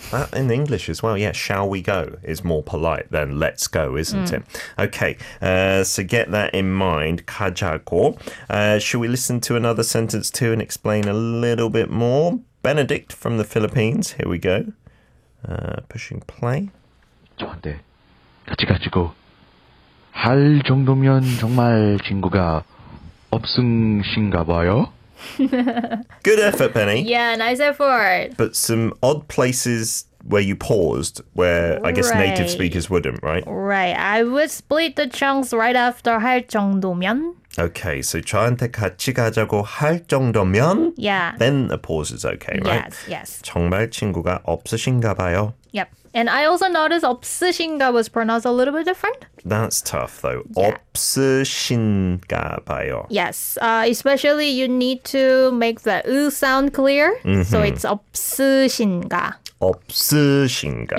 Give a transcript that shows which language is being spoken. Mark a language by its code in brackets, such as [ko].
[en] That in English as well, yeah, shall we go is more polite than let's go, isn't it? Okay, so get that in mind, 가자고. Should we listen to another sentence too and explain a little bit more? Benedict from the Philippines, here we go. Pushing play. [ko] 저한테 같이 가지고 할 정도면 정말 친구가 없으신가봐요. [en] Good effort, Penny. Yeah, nice effort. But some odd places where you paused, where I guess native speakers wouldn't, right? Right. I would split the chunks right after [ko] 할 정도면. [en] Okay, so [ko] 저한테 같이 가자고 할 정도면. [en] Yeah. Then the pause is okay, right? Yes. [ko] 정말 친구가 없으신가봐요. [en] Yep. And I also noticed 없으신가 was pronounced a little bit different. That's tough, though. Yeah. 없으신가봐요. Yes. Especially, you need to make the U sound clear. Mm-hmm. So it's 없으신가. [ko] 없으신가.